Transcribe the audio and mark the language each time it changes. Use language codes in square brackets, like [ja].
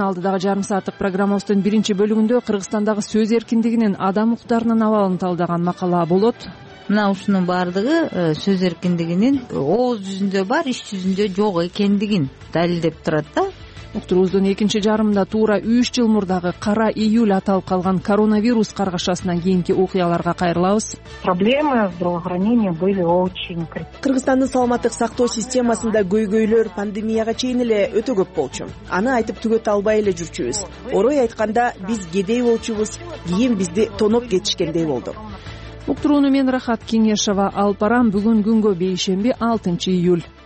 [ky] Алдыдагы жарым сааттык программабыздын биринчи бөлүгүндө Кыргызстандагы сөз эркиндигинин адам укуктарынын абалын талдаган макала болот. Мына ушунун баардыгы сөз эркиндигинин ооз жүзүндө бар, иш жүзүндө жок экендигин далилдеп турат да. Уктуруубуздун экинчи жарымында туура 3 жыл мурдагы кара июль аталып калган коронавирус каргашасынан кийинки окуяларга кайрылабыз. [ru] Проблемы здравоохранения были очень критичны. [ky] Кыргызстандын саламаттык сактоо системасында көйгөйлөр пандемияга чейин эле өтө көп болчу. Аны айтып түгөтө албай эле жүрчүбүз. Орой айтканда биз кедей болчубуз, кийин бизди тоноп кетишкендей болду. Уктурууну мен Рахат Кеңешова алып барам. Бүгүн күнгө бейшемби 6 июль.